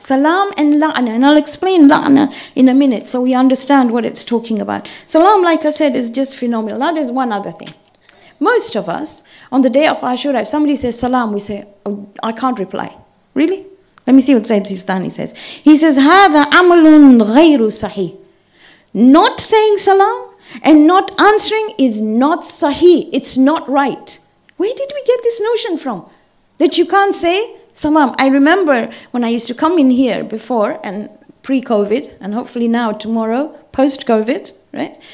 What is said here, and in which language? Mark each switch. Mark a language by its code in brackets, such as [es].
[en] Salam and la'na. And I'll explain la'na in a minute so we understand what it's talking about. Salam, like I said, is just phenomenal. Now there's one other thing. Most of us, on the day of Ashura, if somebody says salam, we say, oh, I can't reply. Really? Let me see what Sayyid Sistani says. He says, [ar] هذا عمل غير صحيح. [en] Not saying salam and not answering is not sahih. It's not right. Where did we get this notion from? That you can't say salam. I remember when I used to come in here before and pre-COVID, and hopefully now tomorrow, post-COVID, right?